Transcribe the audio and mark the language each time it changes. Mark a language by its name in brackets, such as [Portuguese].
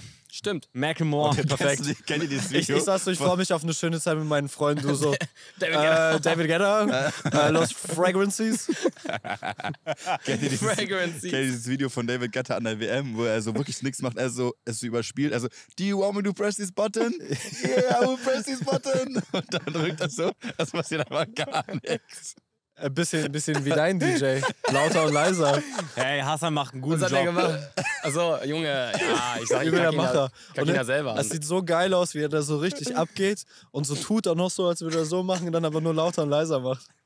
[German] Stimmt. Macklemore. Okay, perfekt. Kennt ihr dieses Video? Ich sag so, ich freue mich auf eine schöne Zeit mit meinen Freunden. Du so, David Guetta. Lost Fragrances. Kennt ihr dieses Video von David Guetta an der WM, wo er so wirklich nichts macht, er so, es so überspielt. [English] Also, do you want me to press this button? Yeah, I will press this button. [German] Und dann drückt er so, das passiert aber gar nichts. Ein bisschen wie dein DJ. Lauter und leiser. Hey, Hassan macht einen guten Job. Was hat Job. Er gemacht? Achso, Junge. Ja, ich sag, ich mach ihn ja selber. Es sieht so geil aus, wie er da so richtig abgeht und so tut auch noch so, als würde er so machen und dann aber nur lauter und leiser macht.